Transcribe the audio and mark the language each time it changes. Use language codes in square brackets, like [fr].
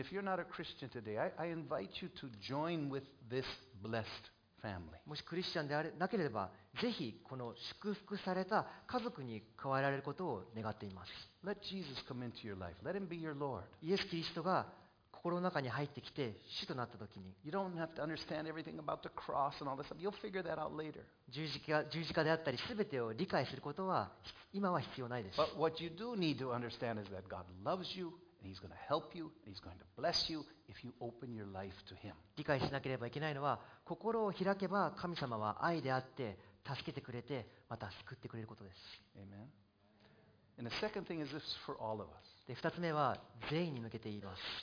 [en] And if you're not a Christian today, I invite you to join with this blessed family. [ja] もしクリスチャンであれなければぜひこの祝福された家族に加えられることを願っています。 [en] Let Jesus come into your life. Let him be your Lord. [ja] イエス・キリストが心の中に入ってきて主となったときに、 [en] You don't have to understand everything about the cross and all this stuff. You'll figure that out later. [ja] 十字架であったり、すべてを理解することは今は必要ないです。 [en] But what you do need to understand is that God loves you and He's going to help you and He's going to bless you if you open your life to Him. [ja] 理解しなければいけないのは、心を開けば神様は愛であって助けてくれて、また救ってくれることです。 [en] Amen. And the second thing is this for all of us. [ja] で、二つ目は全員に向けて言います。